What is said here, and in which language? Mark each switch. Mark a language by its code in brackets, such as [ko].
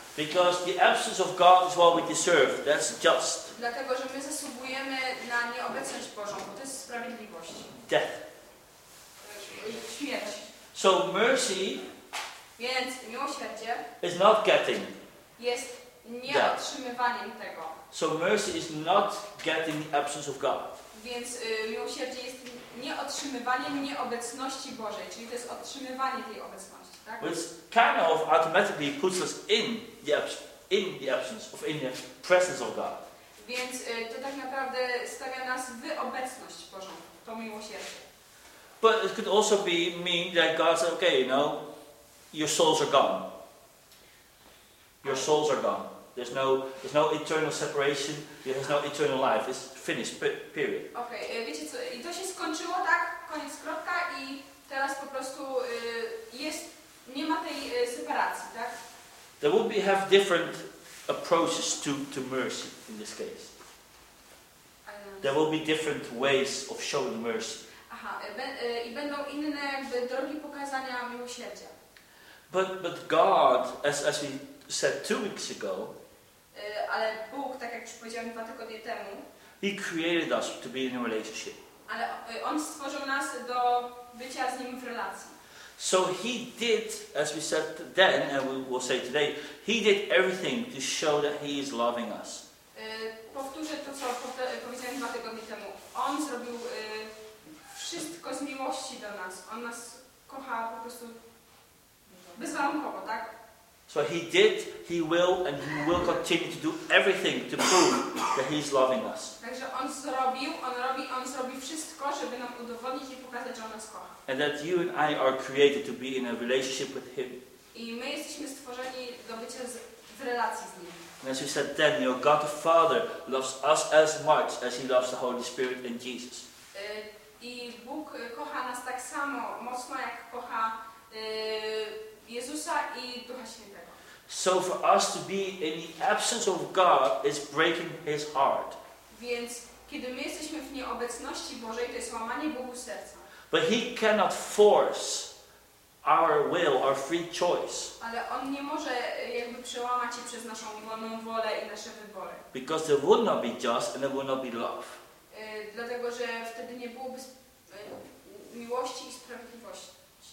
[en] Because the absence of God is what we deserve. That's just. [pl] Dlatego, że my zasługujemy na nieobecność Bożą, bo to jest sprawiedliwość. [en] Death. [pl] Śmierć. [en] So mercy. [pl] Więc miłosierdzie. [en] Is not getting. [pl] Jest nie otrzymywaniem tego. [en] So mercy is not getting the absence of God. [pl] Więc miłosierdzie jest nie otrzymywaniem nieobecności Bożej, czyli to jest otrzymywanie tej obecności, tak? [en] Which kind of automatically puts us in the absence of in the presence of God. [pl] Więc to tak naprawdę stawia nas w obecność Bożą, to miłosierdzie. [en] But it could also be mean that God says, okay, you know, your souls are gone. Your souls are gone. There's no eternal separation. There's no eternal life. It's finished. Period. [pl] Okay. Wiecie co? I to się skończyło, tak? Koniec, kropka. I teraz po prostu jest, nie ma tej separacji, tak? [en] There would be have different approaches to mercy in this case. There will be different ways of showing mercy. Aha. [pl] I będą inne jakby drogi pokazania miłosierdzia. [en] But God, as we said 2 weeks ago. [pl] ale Bóg, tak jak już powiedziałem dwa tygodnie temu, [en] He created us to be in a relationship. [pl] Ale on stworzył nas do bycia z nim w relacji. [en] So he did, as we said then, and we will say today, he did everything to show that he is loving us. [pl] Powtórzę to, co powiedziałem dwa tygodnie temu. On zrobił wszystko z miłości do nas. On nas kocha po prostu bezwarunkowo, tak? [en] So he did, he will, and he will continue to do everything to prove that he is loving us. [pl] Także on zrobił, on robi, on zrobi wszystko, żeby nam udowodnić i pokazać, że on nas kocha. [en] And that you and I are created to be in a relationship with him. [pl] I my jesteśmy stworzeni do bycia w relacji z nim. [en] And as we said then, you know, God the Father loves us as much as he loves the Holy Spirit and Jesus. [pl] I Bóg kocha nas tak samo mocno, jak kocha Jezusa i Ducha Świętego. [en] So for us to be in the absence of God is breaking his heart. [pl] Więc kiedy my jesteśmy w nieobecności Bożej, to jest łamanie Bogu serca. [en] But he cannot force our will, our free choice. [pl] Ale on nie może jakby przełamać się przez naszą wolną wolę i nasze wybory. [en] Because there would not be just and there would not be love. [pl] Dlatego, że wtedy nie byłoby miłości i sprawiedliwości.